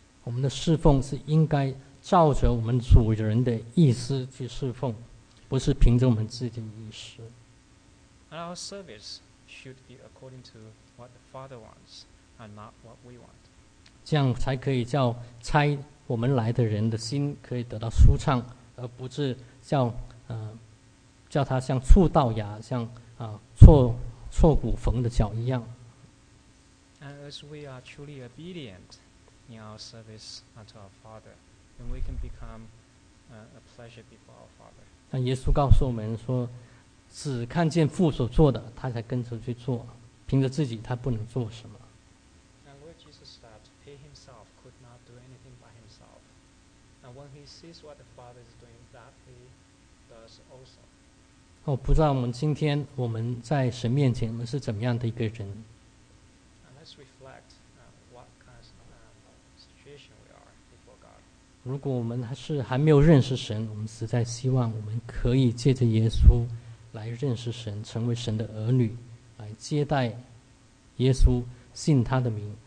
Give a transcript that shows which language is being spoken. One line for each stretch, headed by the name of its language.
Chinese: 我们的侍奉是应该照着我们主人的意思去侍奉，不是凭着我们自己的意思。
English: And our service should be according to. What the Father wants, and not what we want.
Chinese: 这样才可以叫差我们来的人的心可以得到舒畅，而不是叫他像触道牙，像错骨缝的脚一样。
English: And as we are truly obedient in our service unto our Father, then we can become a pleasure before our Father.
Chinese: 但耶稣告诉我们说，只看见父所做的，他才跟着去做。凭着自己他不能做什么。
English: And Lord Jesus said, He himself could not do anything by himself. And when he sees what the Father is doing, that he does also.
Chinese: 我不知道我们今天我们在神面前我们是怎么样的一个人。
English: And let's reflect what kind of situation we are before God.
Chinese: 如果我们还没有认识神，我们实在希望我们可以借着耶稣来认识神，成为神的儿女。来接待耶稣，信他的名，